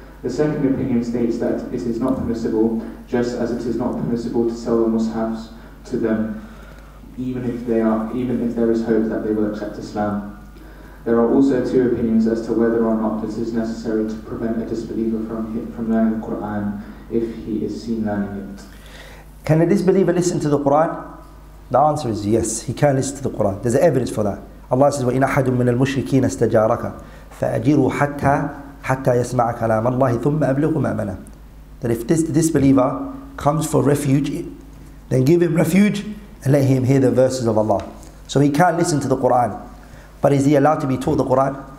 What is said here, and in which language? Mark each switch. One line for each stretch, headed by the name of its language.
English: The second opinion states that it is not permissible, just as it is not permissible to sell the Mus'hafs to them, even if there is hope that they will accept Islam. There are also two opinions as to whether or not it is necessary to prevent a disbeliever from learning the Quran if he is seen learning it. Can a disbeliever listen to the Quran? The answer is yes, he can listen to the Quran. There's evidence for that. Allah says,
Arabic: وَإِنْ أَحَدٌ مِّنَ الْمُشْرِكِينَ اسْتَجَارَكَ فَأَجِرُوا حَتَّى يَسْمَعَ كَلَامَ اللَّهِ ثُمَّ أَبْلِغُ مَأْمَنَ.
English: That if this disbeliever comes for refuge, then give him refuge and let him hear the verses of Allah. So he can listen to the Quran. But is he allowed to be taught the Quran?